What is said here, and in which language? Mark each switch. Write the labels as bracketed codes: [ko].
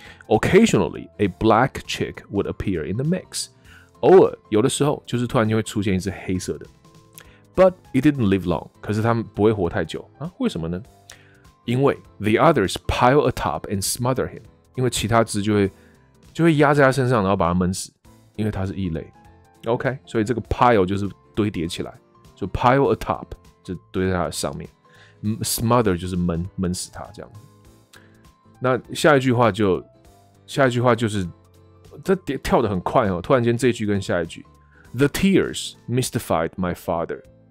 [en] Occasionally, a black chick would appear in the mix. [zh] 偶尔有的时候就是突然就会出现一只黑色的。 [en] But it didn't live long. [zh] 可是他们不会活太久、啊、为什么呢？因为 [en] the others pile atop and smother him. [zh] 因为其他只就会压在他身上然后把他闷死，因为他是异类。 OK， 所以这个 pile 就是堆叠起来，就 [en] pile atop [zh] 就堆在他的上面，smother 就是闷死他这样。那下一句话就是这跳得很快哦，突然间这句跟下一句 [en] The tears mystified my father.